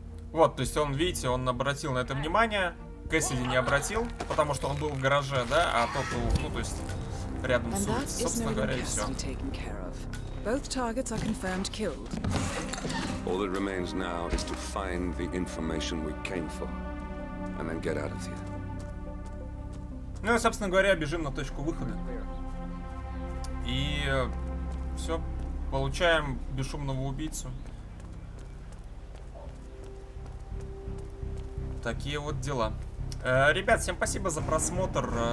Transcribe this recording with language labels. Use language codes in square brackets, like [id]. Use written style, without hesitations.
[ru] Вот, то есть он, видите, он обратил на это внимание, Кэссиди не обратил, потому что он был в гараже, да, а тот был, ну, то есть, рядом с улицей, собственно говоря, и все. [en] Both targets are confirmed killed. All that remains now is to find the information we came for and then get out of here. [ru] Ну и, собственно говоря, бежим на точку выхода. И все, получаем бесшумного убийцу. Такие вот дела. Ребят, всем спасибо за просмотр.